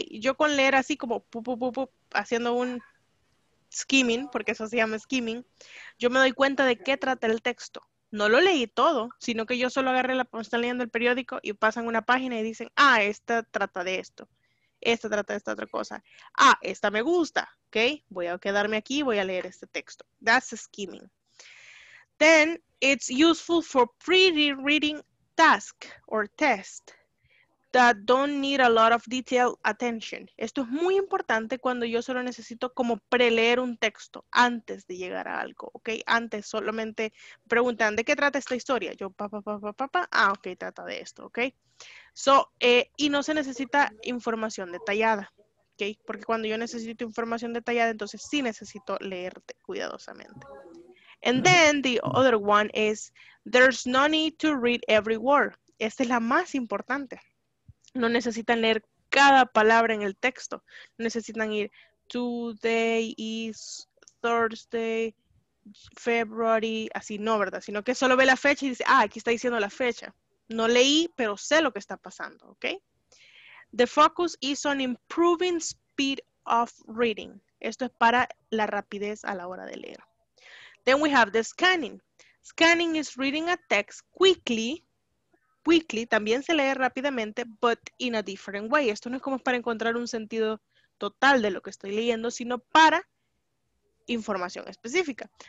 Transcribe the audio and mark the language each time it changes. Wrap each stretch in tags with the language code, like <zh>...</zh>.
<es>Yo con leer así como pu, pu, pu, pu, haciendo un skimming, porque eso se llama skimming, yo me doy cuenta de qué trata el texto. No lo leí todo, sino que yo solo agarré la, están leyendo el periódico y pasan una página y dicen, ah, esta trata de esto, esta trata de esta otra cosa, ah, esta me gusta, ok, voy a quedarme aquí y voy a leer este texto.</es> <en>That's skimming. Then, it's useful for pre-reading task or test that don't need a lot of detailed attention.</en> <es>Esto es muy importante cuando yo solo necesito como preleer un texto antes de llegar a algo, ¿ok? Antes solamente preguntan, ¿de qué trata esta historia? Yo, pa, pa, pa, pa, pa, pa, ah, ok, trata de esto, ¿ok? So, y no se necesita información detallada, ¿ok? Porque cuando yo necesito información detallada, entonces sí necesito leerte cuidadosamente.</es> <en>And then the other one is, there's no need to read every word.</en> <es>Esta es la más importante. No necesitan leer cada palabra en el texto. Necesitan ir,</es> <en>today is Thursday, February,</en> <es>así no, ¿verdad? Sino que solo ve la fecha y dice, ah, aquí está diciendo la fecha. No leí, pero sé lo que está pasando, ¿ok?</es> <en>The focus is on improving speed of reading.</en> <es>Esto es para la rapidez a la hora de leer.</es> <en>Then we have the scanning. Scanning is reading a text quickly. Quickly,</en> <es>también se lee rápidamente,</es> <en>but in a different way.</en> <es>Esto no es como para encontrar un sentido total de lo que estoy leyendo, sino para información específica.</es>